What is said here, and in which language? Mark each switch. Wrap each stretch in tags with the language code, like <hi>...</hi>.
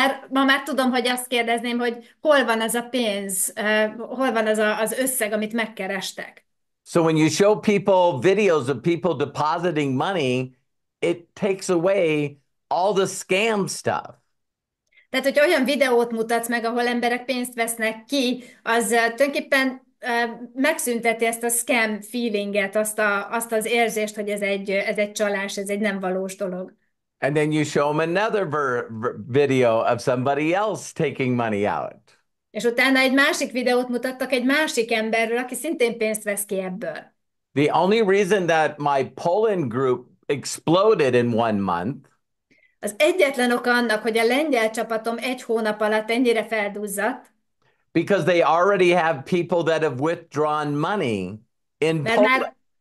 <hu>Ma már tudom, hogy azt kérdezném, hogy hol van ez a pénz, hol van ez az összeg, amit megkerestek.</hu> <en>So when you show people videos of people depositing money, it takes away all the scam stuff.</en> <hu>Tehát, hogy olyan videót mutatsz meg, ahol emberek pénzt vesznek ki, az tulajdonképpen megszünteti ezt a scam feelinget, azt az érzést, hogy ez egy csalás, ez egy nem valós dolog.</hu> <en>And then you show them another video of somebody else taking money out.</en> <hu>És utána egy másik videót mutattak egy másik emberről, aki szintén pénzt vesz ki ebből.</hu> <en>The only reason that my Poland group exploded in 1 month</en> <hu>Az egyetlen oka annak, hogy a lengyel csapatom egy hónap alatt ennyire felduzzadt,</hu> <en>because they already have people that have withdrawn money in Poland.</en>